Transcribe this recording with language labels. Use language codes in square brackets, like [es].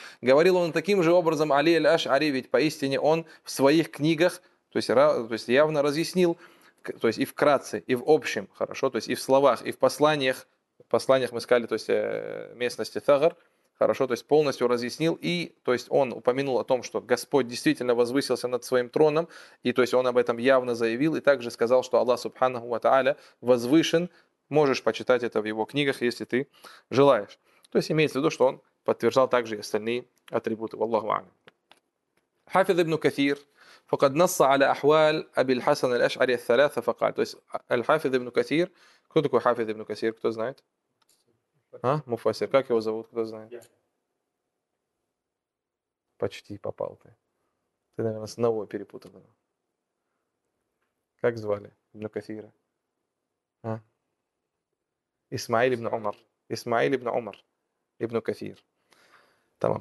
[ru] Говорил он таким же образом Али аль-Аш'ари, ведь поистине он в своих книгах, То есть явно разъяснил, то есть и вкратце, и в общем, хорошо, то есть и в словах, и в посланиях, мы сказали, то есть местности Тагар, хорошо, то есть полностью разъяснил, и то есть он упомянул о том, что Господь действительно возвысился над своим троном, и то есть он об этом явно заявил, и также сказал, что Аллах субханаху ва тааля возвышен, можешь почитать это в его книгах, если ты желаешь. То есть имеется в виду, что он подтверждал также и остальные атрибуты. Валлаху а'лям. Хафиз ибн Касир. [ar] فقد نص على أحوال أبي الحسن الأشعري الثلاثة فقال. [ru] То есть الحافظ ابن كثير. Кто такой Хафиз ибн Касир? Кто знает? А? Муфасир. Как его зовут? Кто знает? Почти попал ты. Ты, наверное, с одного перепутал. Как звали ибн Касира? А? Исмаил ибн Умар. Исмаил ибн Умар. Ибн Касир. Тамам.